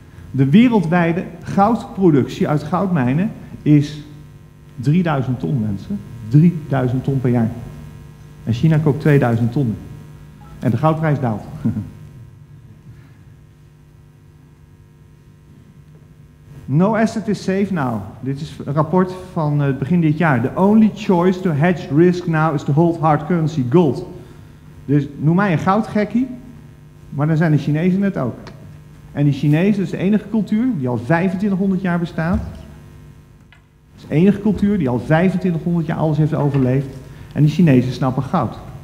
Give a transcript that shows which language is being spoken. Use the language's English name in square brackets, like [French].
[Dutch] De wereldwijde goudproductie uit goudmijnen is 3000 ton, mensen. 3000 ton per jaar. En China koopt 2000 ton. En de goudprijs daalt. [English] No asset is safe now. [Dutch] Dit is een rapport van het begin dit jaar. [English] The only choice to hedge risk now is to hold hard currency, gold. [Dutch] Dus noem mij een goudgekkie, maar dan zijn de Chinezen het ook. En die Chinezen is de enige cultuur die al 2500 jaar bestaat. Het is de enige cultuur die al 2500 jaar alles heeft overleefd. En die Chinezen snappen goud.